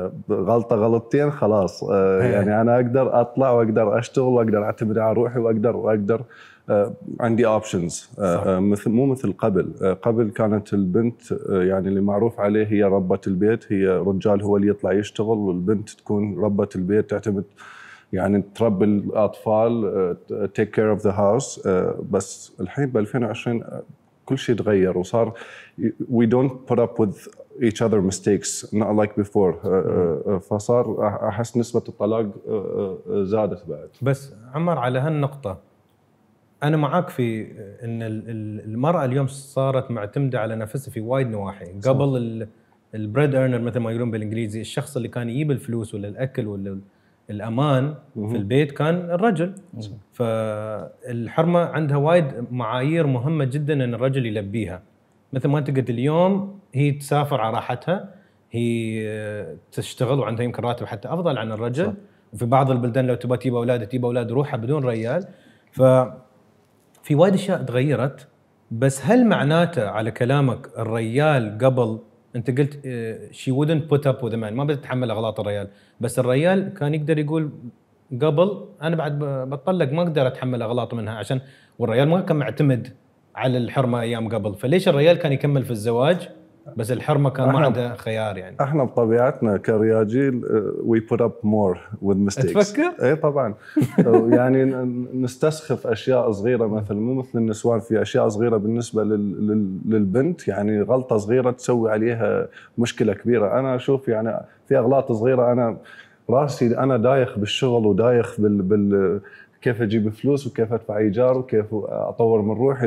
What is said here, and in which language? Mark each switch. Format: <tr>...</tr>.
<ar>غلطة غلطتين خلاص، يعني أنا أقدر أطلع وأقدر أشتغل وأقدر أعتمد على روحي وأقدر عندي</ar> <en>options،</en> <ar>مو مثل قبل. قبل كانت البنت يعني اللي معروف عليه هي ربة البيت، هي رجال هو اللي يطلع يشتغل، والبنت تكون ربة البيت، تعتمد يعني تربي الأطفال،</ar> <en>take care of the house.</en> <ar>بس الحين ب 2020 كل شيء تغير، وصار</ar> <en>we don't put up with each other mistakes not like before.</en> <ar>فصار أحس نسبة الطلاق زادت بعد. بس عمر على هالنقطة أنا معاك في إن المرأة اليوم صارت معتمدة على نفسها في وايد نواحي. قبل البريد أرنر مثل ما يقولون بالإنجليزي، الشخص اللي كان يجيب الفلوس ولا الأكل ولا الأمان في البيت كان الرجل. فالحرمة عندها وايد معايير مهمة جدا أن الرجل يلبيها، مثل ما أنت قلت اليوم هي تسافر على راحتها، هي تشتغل وعندها يمكن راتب حتى أفضل عن الرجل. وفي بعض البلدان لو تبى تجيب أولاد تجيب أولاد روحها بدون ريال. ففي وايد أشياء تغيرت. بس هل معناته على كلامك الريال قبل، أنت قلت</ar> <en>she wouldn't put up with a man،</en> <ar>ما بتتحمل أغلاط الريال، بس الريال كان يقدر يقول قبل أنا بعد بطلق ما أقدر أتحمل أغلاط منها، عشان والريال ما كان معتمد على الحرمة أيام قبل، فليش الريال كان يكمل في الزواج بس الحرمة كان ما عندها خيار؟ يعني احنا بطبيعتنا كرياجيل</ar> <en>we put up more with mistakes.</en> <ar>تفكر؟ اي طبعا. يعني نستسخف اشياء صغيره، مثلا مو مثل النسوان في اشياء صغيره بالنسبه للبنت، يعني غلطه صغيره تسوي عليها مشكله كبيره. انا اشوف يعني في اغلاط صغيره، انا راسي انا دايخ بالشغل ودايخ بال كيف أجيب فلوس وكيف ادفع ايجار وكيف اطور من روحي.</ar>